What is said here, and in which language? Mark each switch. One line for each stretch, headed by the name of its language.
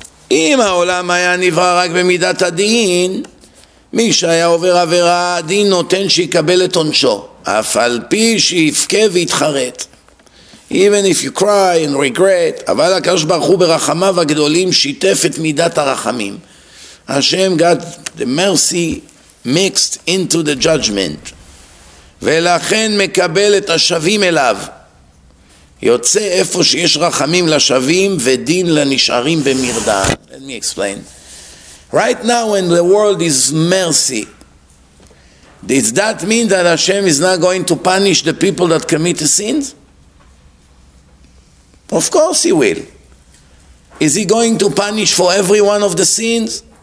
Hebrew: אם העולם היה נברא רק במידת הדין, מי שהיה עובר עבירה, הדין נותן שיקבל את עונשו, אף על פי שיפכה ויתחרט.
English: Even if you cry and regret,
Hebrew: אבל הקדוש ברוך הוא ברחמיו הגדולים שיתף את מידת הרחמים.
English: Hashem got the mercy mixed into the judgment.
Hebrew: ולכן מקבל את השווים אליו. יוצא איפה שיש רחמים לשווים ודין לנשארים במרדה.
English: Let me explain. Right now when the world is mercy, does that mean that Hashem is not going to punish the people that commit the sins? Of course he will. Is he going to punish for every one of the sins?